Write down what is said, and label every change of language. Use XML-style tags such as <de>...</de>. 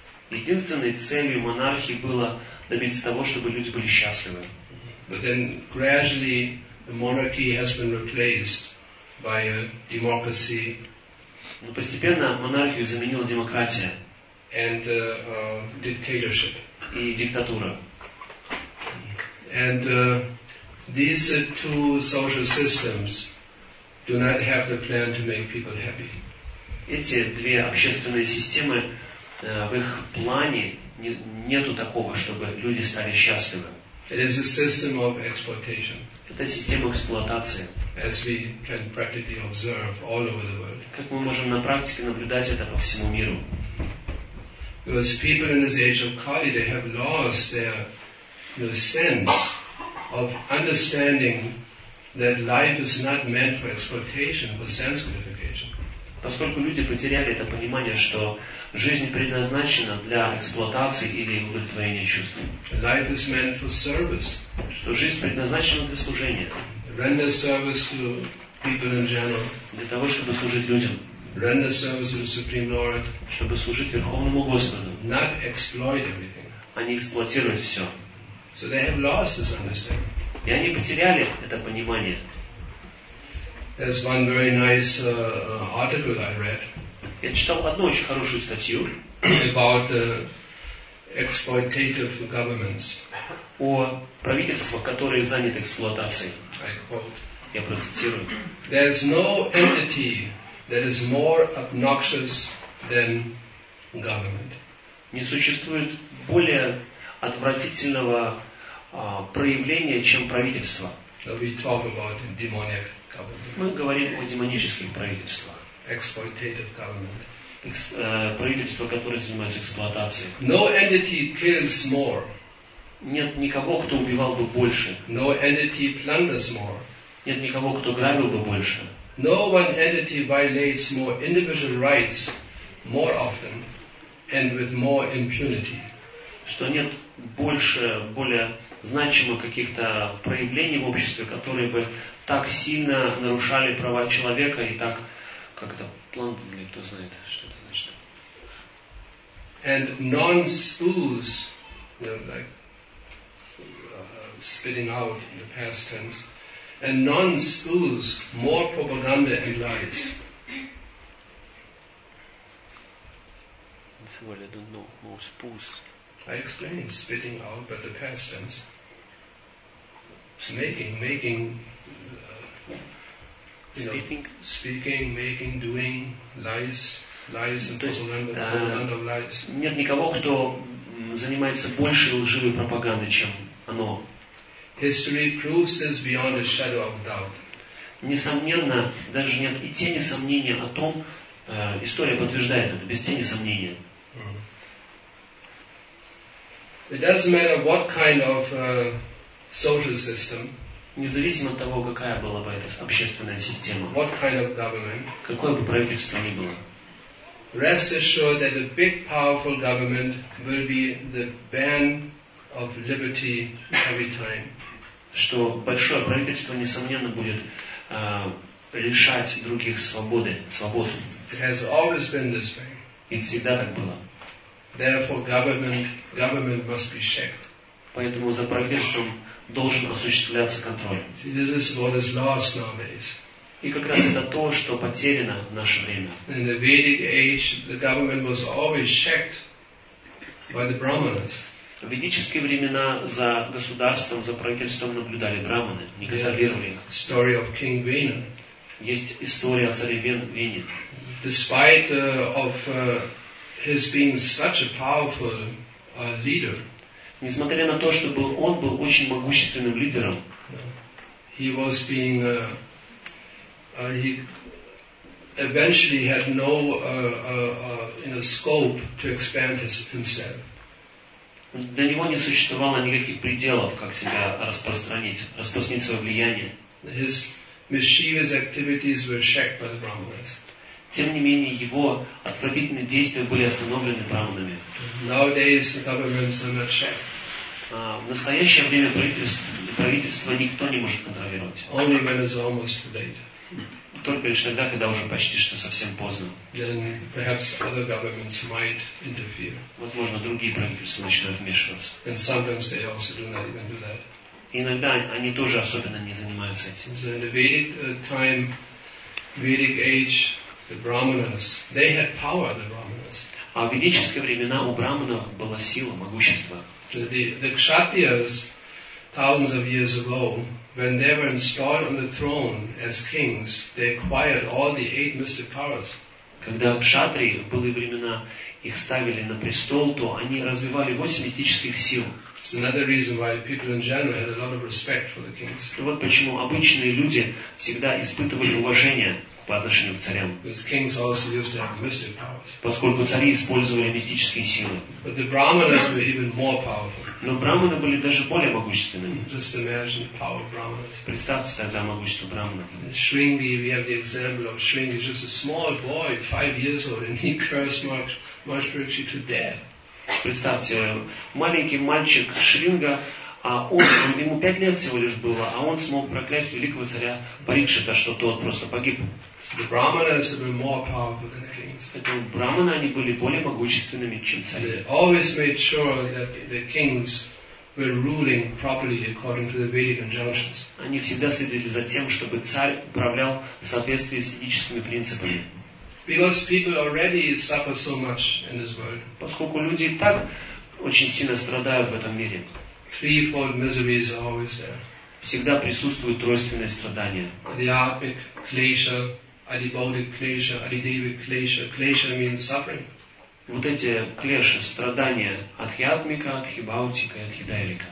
<ru>Единственной целью монархии было добиться того, чтобы люди были счастливы.</ru> <en>But then gradually the monarchy has been replaced by a democracy.</en> <ru>Но постепенно монархию заменила демократия.</ru> <en>And dictatorship.</en> <ru>И диктатура.</ru> <en>And these two social systems do not have the plan to make people happy.</en> <ru>Эти две общественные системы в их плане нету такого, чтобы люди стали счастливы.</ru> <en>It is a system of exploitation.</en> <ru>Это система эксплуатации.</ru> <en>As we can practically observe all over the world.</en> <ru>Как мы можем на практике наблюдать это по всему миру.</ru> <en>Because people in this age of Kali, they have lost their sense of understanding that life is not meant for exploitation, but sense gratification.</en> <ru>Поскольку люди потеряли это понимание, что жизнь предназначена для эксплуатации или удовлетворения чувств.</ru> <en>Life is meant for service.</en> <ru>Что жизнь предназначена для служения.</ru> <en>Render service to people in general.</en> <ru>Для того, чтобы служить людям.</ru> <en>Render service to the Supreme Lord.</en> <ru>Чтобы служить Верховному Господу.</ru> <en>Not exploit everything.</en> <ru>А не эксплуатировать все.</ru> <en>So they have lost this understanding.</en> <ru>И они потеряли это понимание.</ru> <en>There's one very nice article I read.</en> <ru>Я читал одну очень хорошую статью</ru> <en>about exploitative governments.</en> <ru>О правительствах, которые заняты эксплуатацией.</ru> <en>I quote.</en> <ru>Я процитирую.</ru> <en>There is no entity that is more obnoxious than government.</en> <ru>Не существует более отвратительного проявления, чем правительство.</ru> <en>So we talk about demonic government.</en> <ru>Мы говорим о демонических правительствах.</ru> <en>Exploitative government.</en> <ru>Правительство, которое занимается эксплуатацией.</ru> <en>No entity kills more.</en> <ru>Нет никого, кто убивал бы больше.</ru> <en>No entity plunders more.</en> <ru>Нет никого, кто грабил бы больше.</ru> <en>No one entity violates more individual rights more often and with more impunity.</en> <ru>Что нет больше, более значимых каких-то проявлений в обществе, которые бы так сильно нарушали права человека и так как-то план, или кто знает, что это значит.</ru> <en>And non-spoos, you know, like spitting out in the past tense, and non-spoos more propaganda and lies. It's a word I don't know, more spoos. I explained spitting out, but the past tense. It's making. Speaking, making, doing lies and propaganda of lies.</en> <ru>Нет никого, кто занимается больше лживой пропагандой, чем оно.</ru> <en>History proves this beyond a shadow of doubt.</en> <ru>Несомненно, даже нет и тени сомнения о том, история подтверждает это без тени сомнения.</ru> <en>It doesn't matter what kind of social system.</en> <ru>Независимо от того, какая была бы эта общественная система,</ru> <en>what kind of government,</en> <ru>какое бы правительство ни было,</ru> <en>rest assured that a big, powerful government will be the ban of liberty every time.</en> <ru>Что большое правительство несомненно будет лишать других свобод.</ru> <en>It has always been this way.</en> <ru>И всегда так было.</ru> <en>Therefore, government must be checked.</en> <ru>Поэтому за правительством должен осуществляться контроль.</ru> <en>See, this is what is lost nowadays.</en> <ru>И как раз это то, что потеряно в наше время.</ru> <en>In the Vedic age, the government was always checked by the brahmanas.</en> <ru>В ведические времена за государством, за правительством наблюдали брахманы, не контролировали их.</ru> <en>Story of King Vena.</en> <ru>Есть история о царе Вене.</ru> <en>Despite of his being such a powerful leader.</en> <ru>Несмотря на то, что он был очень могущественным лидером.</ru> <en>He was being he eventually had no scope to expand himself.</en> <ru>Для него не существовало никаких пределов, как себя распространить свое влияние.</ru> <en>His mischievous activities were checked by the brahmanas.</en> <ru>Тем не менее, его отвратительные действия были остановлены брахманами.</ru> <en>Nowadays the governments are not checked.</en> <ru>В настоящее время правительство никто не может контролировать.</ru> <en>Only when it's almost too late.</en> <ru>Только лишь тогда, когда уже почти что совсем поздно.</ru> <en>Then perhaps other governments might interfere.</en> <ru>Возможно, другие правительства начнут вмешиваться.</ru> <en>And sometimes they also do not even do that.</en> <ru>Иногда они тоже особенно не занимаются этим.</ru> <en>So in the Vedic time, Vedic age, the brahmanas, they had power, the brahmanas.</en> <ru>А в ведические времена у брахманов была сила, могущество.</ru> <en>The kshatriyas, thousands of years ago, when they were installed on the throne as kings, they acquired all the eight mystic powers.</en> <ru>Когда кшатри были времена, их ставили на престол, то они развивали 8 мистических сил.</ru> <en>It's another reason why people in general had a lot of respect for the kings.</en> <ru>Вот почему обычные люди всегда испытывали уважение по отношению к царям.</ru> <en>Because kings also used to have mystic powers.</en> <ru>Поскольку цари использовали мистические силы.</ru> <en>But the brahmanas were even more powerful.</en> <ru>Но брахманы были даже более могущественными.</ru> <en>Just imagine the power of brahmanas.</en> <ru>Представьте тогда могущество брахманов.</ru> <en>Шринги, we have the example of Шринги, just a small boy, 5 years old, and he cursed Maharishi to death.</en> <ru>Представьте, маленький мальчик Шринга, а он ему 5 лет всего лишь было, а он смог проклясть великого царя Парикшита, что тот просто погиб.</ru> <en>The brahmanas were more powerful than kings.</en> <ru>Поэтому брахманы они были более могущественными, чем цари.</ru> <en>They always made sure that the kings were ruling properly according to the Vedic injunctions.</en> <ru>Они всегда следили за тем, чтобы царь управлял в соответствии с ведическими принципами.</ru> <en>Because people already suffer so much in this world.</en> <ru>Поскольку люди так очень сильно страдают в этом мире.</ru> <en>Threefold misery is always there.</en> <ru>Всегда присутствует тройственное страдание.</ru> <sa>Adhyatmik klesha, adibodhik klesha, adidevik klesha.</sa> <en>Klesha means suffering.</en> <ru>Вот эти клеши, страдания адхиатмика, адхибаутика и адхидайвика.</ru>